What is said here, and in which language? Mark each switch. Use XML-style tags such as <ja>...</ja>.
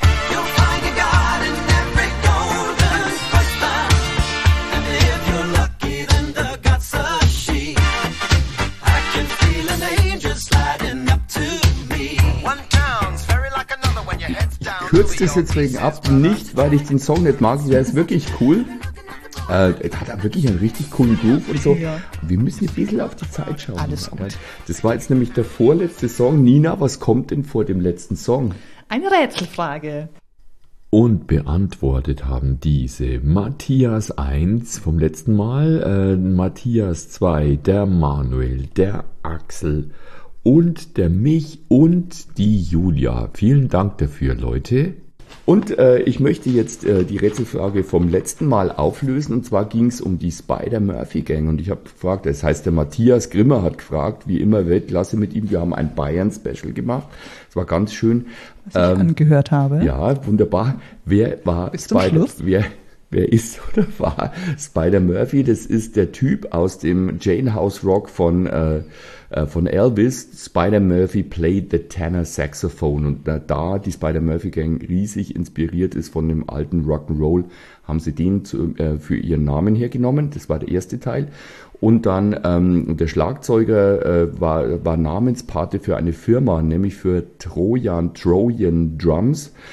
<en>You'll find a god in every golden oyster. And if you're lucky, then the god's a she. I can feel an angel sliding up to me. One town's very like another when your head's down.</en> <de>Kürzt es jetzt wegen ab, nicht weil ich den Song nicht mag, der ist wirklich cool. Es hat auch wirklich einen richtig coolen Groove und so. Ja. Wir müssen ein bisschen auf die Zeit schauen. Alles gut. Das war jetzt nämlich der vorletzte Song. Nina, was kommt denn vor dem letzten Song? Eine Rätselfrage. Und beantwortet haben diese Matthias 1 vom letzten Mal, Matthias 2, der Manuel, der Axel. Und der Mich und die Julia. Vielen Dank dafür, Leute. Und ich möchte jetzt die Rätselfrage vom letzten Mal auflösen. Und zwar ging es um die Spider-Murphy-Gang. Und ich habe gefragt, das heißt, der Matthias Grimmer hat gefragt, wie immer Weltklasse mit ihm. Wir haben ein Bayern-Special gemacht. Es war ganz schön. Was ich angehört habe. Ja, wunderbar. Wer war bis zum Spider- Schluss? Wer ist oder war Spider-Murphy? Das ist der Typ aus dem Jane House Rock von Elvis.</de> <en>Spider-Murphy played the tenor saxophone.</en> <de>Und da die Spider-Murphy-Gang riesig inspiriert ist von dem alten Rock'n'Roll, haben sie den für ihren Namen hergenommen. Das war der erste Teil. Und dann der Schlagzeuger war Namenspate für eine Firma, nämlich für Trojan Drums.</de>